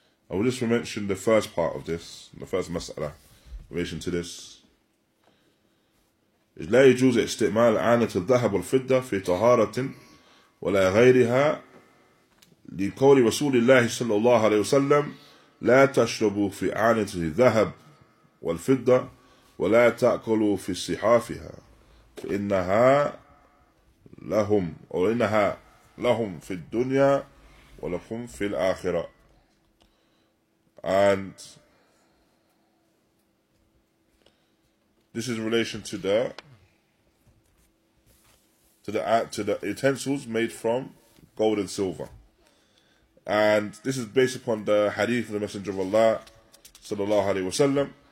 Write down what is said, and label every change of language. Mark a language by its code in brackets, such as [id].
[en] I will just mention the first part of this, the first mas'ala in relation to this. [ar] Is لا يجوز استعمال آنة الذهب والفضة في طهارة ولا غيرها لقول رسول الله صلى الله عليه وسلم لا تشربوا في آنة الذهب والفضة ولا تأكلوا في صحافها فإنها لهم أو إنها لهم في الدنيا ولكم في الآخرة. [en] And this is in relation to the utensils made from gold and silver. And this is based upon the hadith of the Messenger of Allah sallallahu alaihi wasallam.